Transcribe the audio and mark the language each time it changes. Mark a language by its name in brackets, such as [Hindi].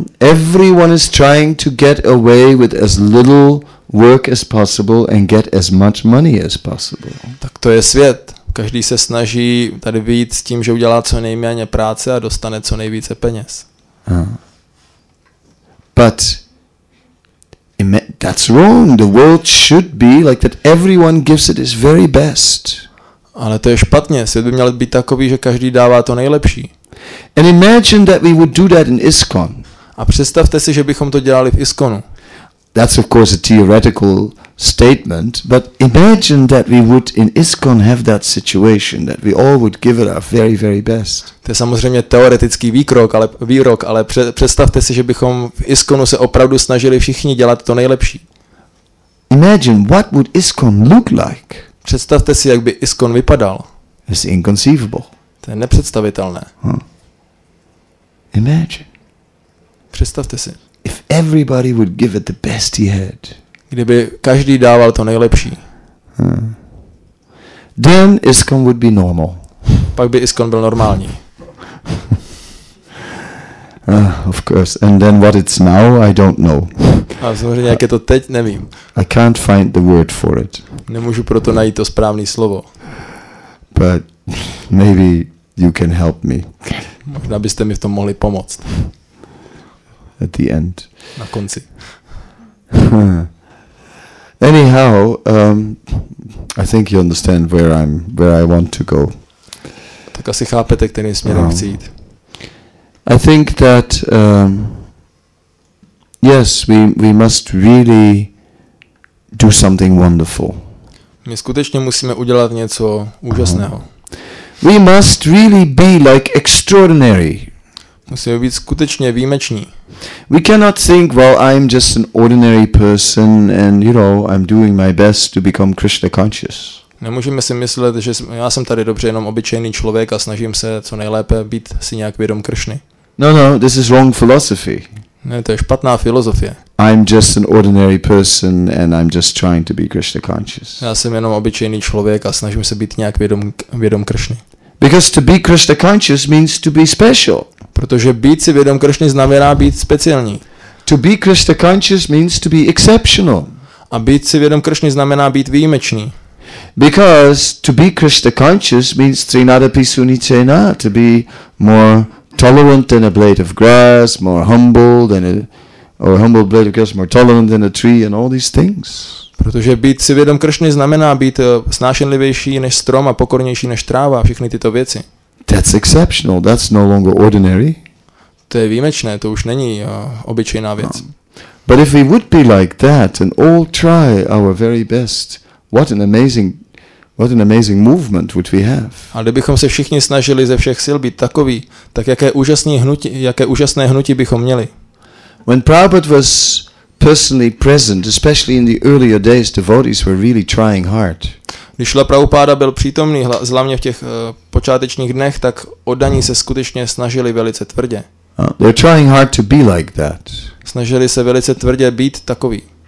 [English] Everyone is trying to get away with as little work as possible and get as much money as possible. [Czech] Tak to je svět. Každý se snaží tady vyjít s tím, že udělá co nejméně práce a dostane co nejvíce peněz. [English] But that's wrong. The world should be like that. Everyone gives it his very best. [Czech] Ale to je špatně. Svět by měl být takový, že každý dává to nejlepší. [English] And imagine that we would do that in ISKCON. [Czech] A představte si, že bychom to dělali v ISKCONu. [English] That's of course a theoretical statement, but imagine that we would in ISKCON have that situation, that we all would give it our very, very best. [Czech] To je samozřejmě teoretický výrok, ale představte si, že bychom v ISKCONu se opravdu snažili všichni dělat to nejlepší. [English] Imagine what would ISKCON look like. [Czech] Představte si, jak by ISKCON vypadal. [English] It's inconceivable. [Czech] To je nepředstavitelné. [English] Imagine. [Czech] Představte si. [English] If everybody would give it the best he had. [Czech] Kdyby každý dával to nejlepší. [English] Then ISKCON would be normal. [Czech] Pak by ISKCON byl normální. [English] Of course. And then what it's now, I don't know. [Czech] A samozřejmě, jak je to teď, nevím. [English] I can't find the word for it. [Czech] Nemůžu proto najít to správné slovo. [English] But maybe you can help me. [Czech] Možná byste mi v tom mohli pomoct. [English] At the end. [Czech] Na konci. [English] Anyhow, I think you understand where I want to go. [Czech] Tak asi chápete, kterým směrem chci jít. [English] I think that yes, we must really do something wonderful. [Czech] My skutečně musíme udělat něco úžasného. [English] We must really be like extraordinary. [Czech] Musíme být skutečně výjimeční. [English] We cannot think, well, I'm just an ordinary person and, you know, I'm doing my best to become Krishna conscious. [Czech] Nemůžeme si myslet, že já jsem tady dobře jenom obyčejný člověk a snažím se co nejlépe být si nějak vědom Kršny. [English] No, this is wrong philosophy. [Czech] Ne, to je špatná filozofie. [English] I'm just an ordinary person and I'm just trying to be Krishna conscious. [Czech] Já jsem jenom obyčejný člověk a snažím se být nějak vědom Kršny. [English] Because to be Krishna conscious means to be special. [Czech] Protože být si vědom Kršny znamená být speciální. [English] To be Krishna conscious means to be exceptional. [Czech] A být si vědom Kršny znamená být výjimečný. [English] Because to be Krishna conscious means [Sanskrit] Trinadapi Sunicena, [English] to be more tolerant than a blade of grass, more humble than humble blade of grass, more tolerant than a tree and all these things. [Czech] Protože být si vědom Kršny znamená být snášenlivější než strom a pokornější než tráva a všechny tyto věci. [English] That's exceptional. That's no longer ordinary. [Czech] To je výjimečné, to už není obyčejná věc. [English] But if we would be like that and all try our very best, what an amazing movement would we have? [Czech] A kdybychom se všichni snažili ze všech sil být takový, tak jaké úžasné hnutí bychom měli? [English] When Prabhupada was personally present, especially in the earlier days, devotees were really trying hard. [Czech] Když Šrila Prabhupáda byl přítomný, zvláště v těch počátečních dnech, tak oddaní se skutečně snažili velice tvrdě. [English] They're trying hard to be like that. [Czech] Snažili se velice tvrdě být takový.